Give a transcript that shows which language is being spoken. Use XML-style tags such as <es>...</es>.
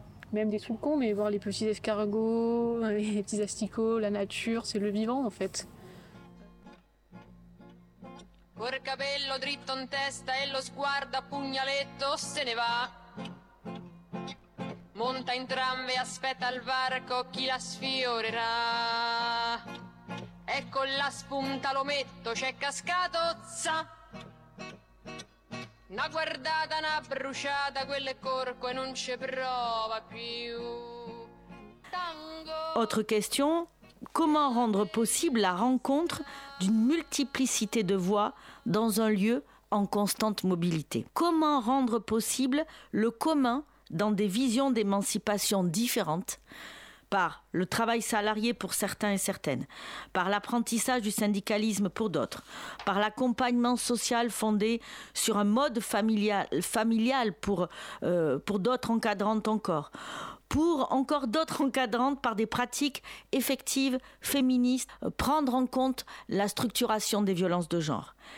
<fr>Même des trucs cons, mais voir les petits escargots, les petits asticots, la nature, c'est le vivant, en fait.</fr> <it>Col capello dritto in testa e lo sguardo a pugnaletto se ne va. Monta in tram e aspetta al varco chi la sfiorerà. Ecco la spunta, lo metto, c'è cascato, za. Una guardata, una bruciata, quello è corco e non ci prova più. Tango.</it> <fr>Autre question, comment rendre possible la rencontre d'une multiplicité de voix dans un lieu en constante mobilité? Comment rendre possible le commun dans des visions d'émancipation différentes, par le travail salarié pour certains et certaines, par l'apprentissage du syndicalisme pour d'autres, par l'accompagnement social fondé sur un mode familial pour d'autres encadrantes encore, pour encore d'autres encadrantes par des pratiques effectives, féministes, prendre en compte la structuration des violences de genre.</fr>